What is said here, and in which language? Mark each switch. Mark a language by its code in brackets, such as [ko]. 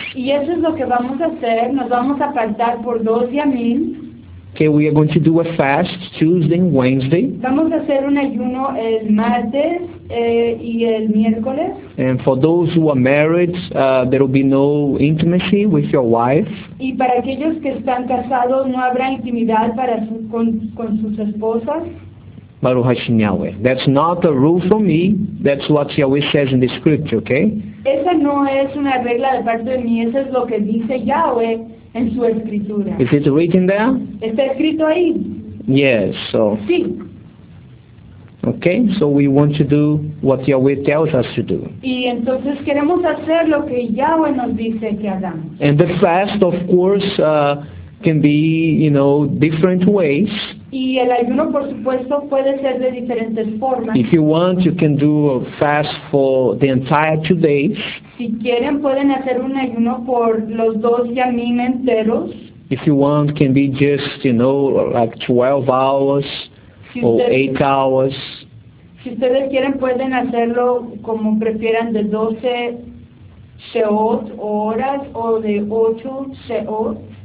[es] Y eso es lo que vamos a hacer. Nos vamos a apartar por 2 yamim. [en] Okay, we are going to do a fast Tuesday and Wednesday. [es] Vamos a hacer un ayuno el martes y el miércoles. [en] And for those who are married, there will be no intimacy with your wife. [es] Y para aquellos que están casados, no habrá intimidad para con sus esposas. [he] Baruch Hashem Yahweh. [en] That's not a rule for me. That's what Yahweh says in the scripture, okay? [es] Esa no es una regla de parte de mí. Eso es lo que dice Yahweh en su escritura. [en] Is it written there? [es] Está escrito ahí. [en] Yes, so. [es] Sí. [en] Okay, so we want to do what Yahweh tells us to do. [es] Y entonces queremos hacer lo que Yahweh nos dice que hagamos. [en] And the fast, of course, can be, you know, different ways. [es] Y el ayuno, por supuesto, puede ser de diferentes formas. [en] If you want, you can do a fast for the entire 2 days. [es] Si quieren, pueden hacer un ayuno por los 2 yamim enteros. [en] If you want, can be just, you know, like 12 hours or 8 hours. [es] Si ustedes quieren, pueden hacerlo como prefieran, de 12 sheot horas o de 8 sheot.